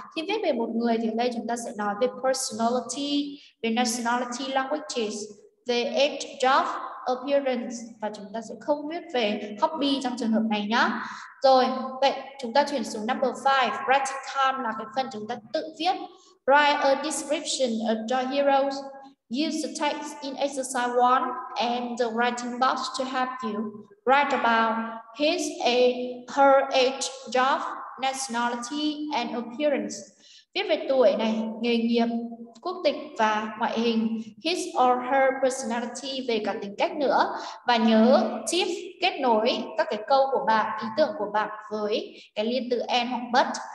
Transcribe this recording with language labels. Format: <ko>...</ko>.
<vi>Khi viết về một người thì ở đây chúng ta sẽ nói về personality, về nationality, languages, về age, job, appearance, và chúng ta sẽ không viết về hobby trong trường hợp này nhá. Rồi, vậy chúng ta chuyển xuống number 5, write down là cái phần chúng ta tự viết.</vi> <en>Write a description of your heroes. Use the text in exercise 1 and the writing box to help you. Write about her age, job, nationality and appearance.</en> <vi>Viết về tuổi này, nghề nghiệp, quốc tịch và ngoại hình,</vi> <en>his or her personality,</en> <vi>về cả tính cách nữa. Và nhớ tip kết nối các cái câu của bạn, ý tưởng của bạn với cái liên từ and hoặc but.</vi>